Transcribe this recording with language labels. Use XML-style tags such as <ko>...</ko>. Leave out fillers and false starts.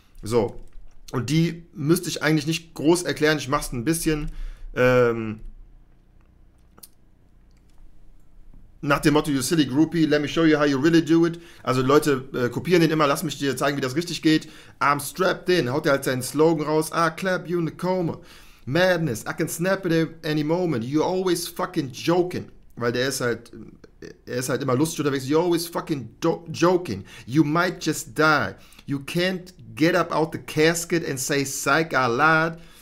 <de>So, und die müsste ich eigentlich nicht groß erklären, ich mach's ein bisschen, nach dem Motto,</de> <en>you silly groupie, let me show you how you really do it.</en> <de>Also Leute kopieren den immer, lass mich dir zeigen, wie das richtig geht.</de> <en>I'm strapped in,</en> <de>haut er halt seinen Slogan raus.</de> <en>I clap you in the coma. Madness, I can snap it at any moment. You always fucking joking.</en> <de>Weil der ist halt, immer lustig unterwegs.</de> <en>You always fucking joking. You might just die. You can't get up out the casket and say psych a lot.</en>